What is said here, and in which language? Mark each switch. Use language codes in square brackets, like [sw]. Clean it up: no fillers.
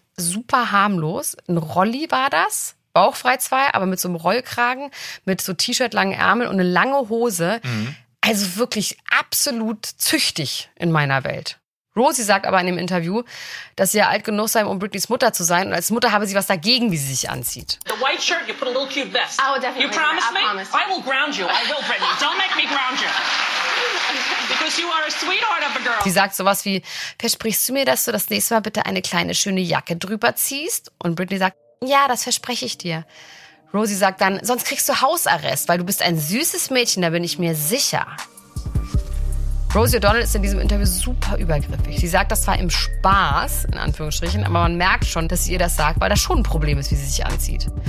[de] Super harmlos. Ein Rolli war das. Bauchfrei zwei, aber mit so einem Rollkragen, mit so T-Shirt-langen Ärmeln und eine lange Hose. Mhm. Also wirklich absolut züchtig in meiner Welt. Rosie sagt aber in dem Interview, dass sie ja alt genug sei, um Britneys Mutter zu sein. Und als Mutter habe sie was dagegen, wie sie sich anzieht. [en] The white shirt, you put a little cute vest. Oh, definitely. You promise me? I will ground you. I will, Britney. Don't make me ground you. Because you are a sweetheart of a girl. [de] Sie sagt sowas wie, versprichst du mir, dass du das nächste Mal bitte eine kleine schöne Jacke drüber ziehst? Und Britney sagt, ja, das verspreche ich dir. Rosie sagt dann, sonst kriegst du Hausarrest, weil du bist ein süßes Mädchen, da bin ich mir sicher. Rosie O'Donnell ist in diesem Interview super übergriffig. Sie sagt das zwar im Spaß, in Anführungsstrichen, aber man merkt schon, dass sie ihr das sagt, weil das schon ein Problem ist, wie sie sich anzieht.